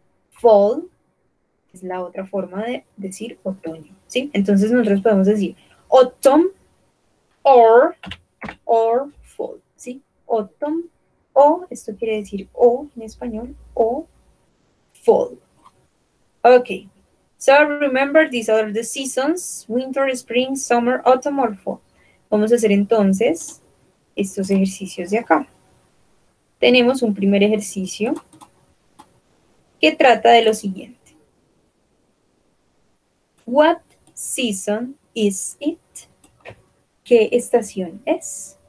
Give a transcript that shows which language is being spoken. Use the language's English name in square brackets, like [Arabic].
[Spanish] Fall es la otra forma de decir otoño, ¿sí? Entonces nosotros podemos decir [English] autumn or fall, [Spanish] ¿sí? Autumn o, esto quiere decir o en español, o fall. [English] Okay, so remember these are the seasons, winter, spring, summer, autumn or fall. [Spanish] Vamos a hacer entonces estos ejercicios de acá. Tenemos un primer ejercicio que trata de lo siguiente. [English] What season is it? [Spanish] ¿Qué estación es?